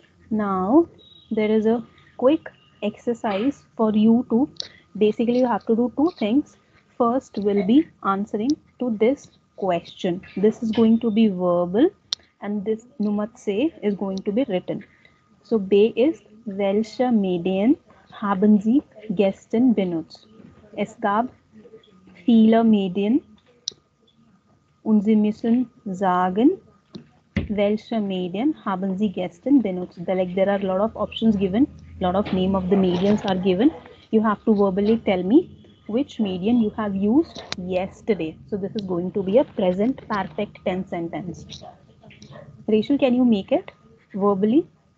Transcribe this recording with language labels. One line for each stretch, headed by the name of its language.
English: Now there is a quick exercise for you to, basically you have to do two things. First will be answering to this question. This is going to be verbal and this Numatse is going to be written.
German: So B is welche Medien haben Sie gestern benutzt? Es gab viele Medien und Sie müssen sagen, welche Medien haben Sie gestern benutzt?
English: Like there are a lot of options given, a lot of name of the medians are given. You have to verbally tell me which medium you have used yesterday. So this is going to be a present perfect tense sentence. Rachel, can you make it verbally?